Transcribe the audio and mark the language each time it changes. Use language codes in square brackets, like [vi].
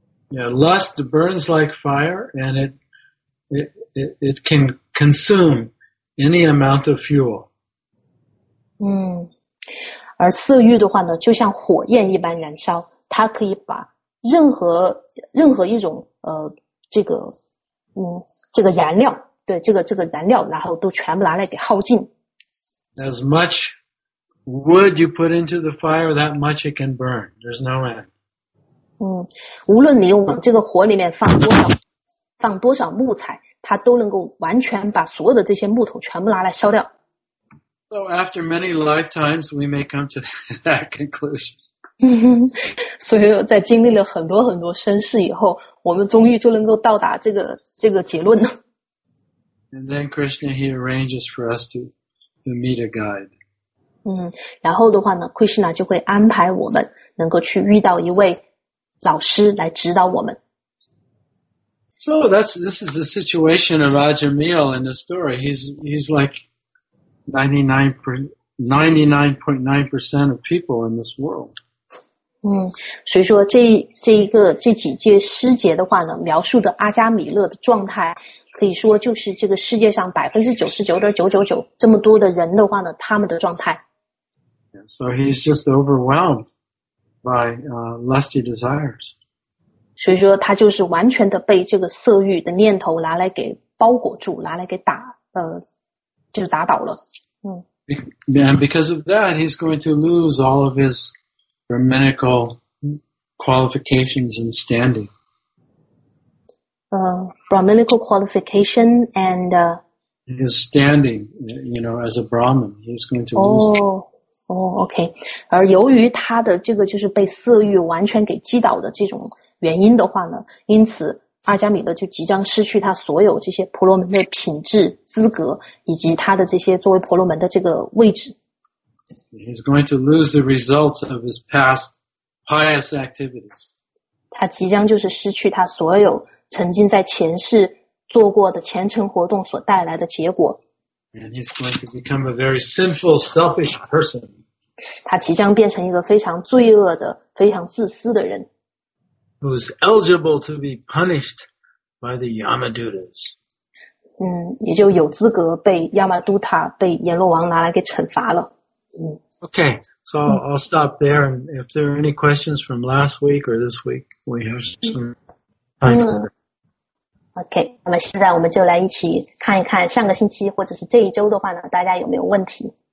[en] Yeah, lust burns like fire, and it can consume any amount of fuel. [zh] 而色欲的话呢，就像火焰一般燃烧，它可以把任何一种这个燃料。对这个燃料，然后都全部拿来给耗尽。 [en] As much wood you put into the fire, that much it can burn. There's no end. [zh] 无论你往这个火里面放多少木材，它都能够完全把所有的这些木头全部拿来烧掉。 [en] So after many lifetimes, we may come to that conclusion. [zh] 所以在经历了很多很多生世以后，我们终于就能够到达这个结论了。 [en] And then Krishna, he arranges for us to meet a guide. [zh] 然后的话呢 ，Krishna 就会安排我们能够去遇到一位老师来指导我们。 [en] So this is the situation of Ajamil in the story. He's like 99.9% of people in this world. [zh] 所以说这几届师姐的话呢，描述的阿加米勒的状态。可以说就是这个世界上 99.999% 这么多的人的话呢，他们的状态。 [en] So he's just overwhelmed by lusty desires. [zh] 所以说他就是完全的被这个色欲的念头拿来给包裹住，拿来给打倒了。 [en] And because of that, he's going to lose all of his brahminical qualifications and standing. Brahminical qualification and his standing, you know, as a Brahmin, he's going to lose. Okay. [zh] 而由于他的这个就是被色欲完全给击倒的这种原因的话呢，因此阿加米勒就即将失去他所有这些婆罗门的品质、资格，以及他的这些作为婆罗门的这个位置。 [en] He's going to lose the results of his past pious activities. [zh] 他即将就是失去他所有。曾经在前世做过的前程活动所带来的结果。 [en] And he's going to become a very sinful, selfish person. [zh] 他即将变成一个非常罪恶的、非常自私的人。 [en] Who's eligible to be punished by the Yamadutas. [zh] 也就有资格被亚马都塔、被阎罗王拿来给惩罚了。 [en] Okay, so I'll stop there. And if there are any questions from last week or this week, we have some. [zh] OK, 那么现在我们就来一起看一看上个星期或者是这一周的话呢，大家有没有问题。